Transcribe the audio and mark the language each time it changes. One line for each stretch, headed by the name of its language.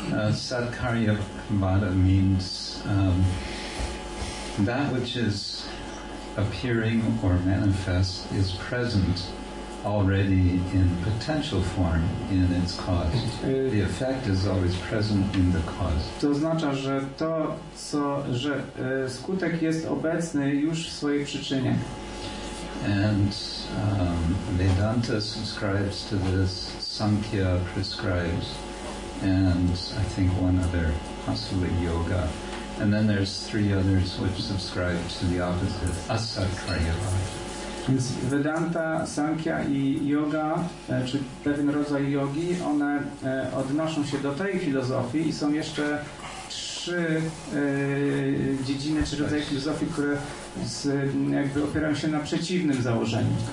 English: Satkaryavada means that which is appearing or manifest is present already in potential form in its cause. The effect is always present in the cause.
Polish: To oznacza, że to, co, że skutek jest obecny już w swojej przyczynie.
English: And Vedanta subscribes to this, Samkhya prescribes, and I think one other, possibly yoga. And then there's three others which subscribe to the opposite, Asatkaryavada.
Polish: Więc Vedanta, Sankhya i yoga, czy pewien rodzaj jogi, one odnoszą się do tej filozofii i są jeszcze trzy dziedziny czy rodzaje filozofii, które z, jakby opierają się na przeciwnym założeniu.